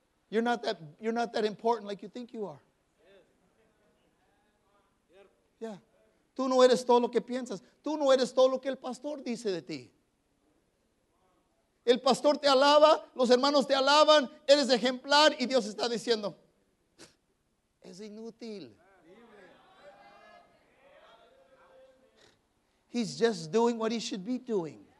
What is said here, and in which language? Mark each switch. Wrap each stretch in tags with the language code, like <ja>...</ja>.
<en>You're not that important like you think you are.</en> <es>Yeah. Tú no eres todo lo que piensas. Tú no eres todo lo que el pastor dice de ti. El pastor te alaba, los hermanos te alaban, eres ejemplar y Dios está diciendo, es inútil.</es> <en>He's just doing what he should be doing.</en>